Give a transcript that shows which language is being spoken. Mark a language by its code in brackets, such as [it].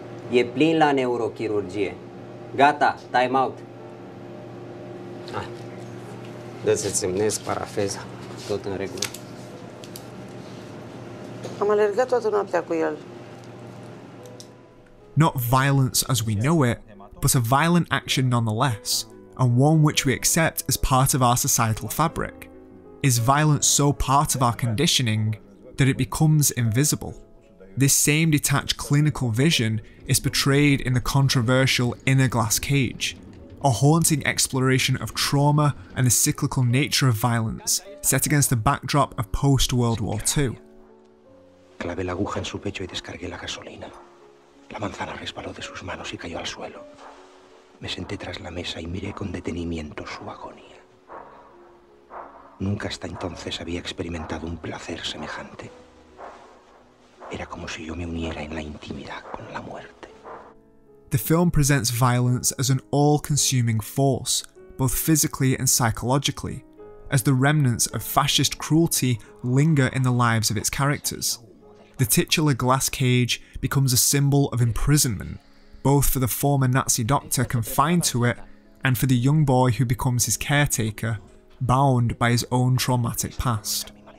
[ro] E plin la neurochirurgie. Gata, [en] time out. [ro] Hai. Dă să-ți semnez parafeza. Tot în regulă. Am alergat toată noaptea cu el. [en] Not violence as we know it, but a violent action nonetheless, and one which we accept as part of our societal fabric. Is violence so part of our conditioning that it becomes invisible? This same detached clinical vision is portrayed in the controversial Inner Glass Cage, a haunting exploration of trauma and the cyclical nature of violence set against the backdrop of post-World War II. [es] Clavé la aguja en su pecho y descargué la gasolina. La manzana resbaló de sus manos y cayó al suelo. Me senté tras la mesa y miré con detenimiento su agonía. Nunca hasta entonces había experimentado un placer semejante. Era como si yo me uniera en la intimidad con la muerte. [en] The film presents violence as an all-consuming force, both physically and psychologically, as the remnants of fascist cruelty linger in the lives of its characters. The titular glass cage becomes a symbol of imprisonment, both for the former Nazi doctor confined to it and for the young boy who becomes his caretaker, bound by his own traumatic past.